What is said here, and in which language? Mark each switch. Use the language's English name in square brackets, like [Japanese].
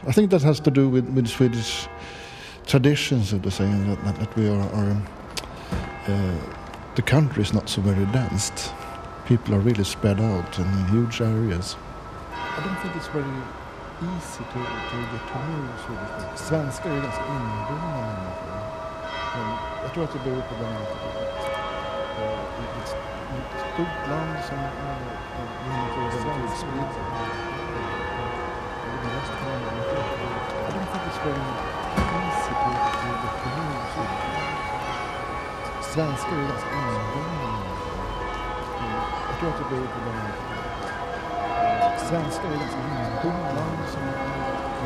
[English] I think that has to do with Swedish traditions, so to say, that we are the country is not so very dense. People are really spread out in huge areas. I don't think it's very easy to get to know Swedish people. [Swedish] Svenska är ganska inbundna människor. Men jag tror att det beror på bland annat att det är ett stort land som människor är väldigt utspridda. Det måste vara en annan fråga. [English] I don't think it's very easy to get to know Swedish people. [Swedish] Svenska är ganska inbundna människor. Jag tror att det beror på bland annat att svenska är ganska inbundna.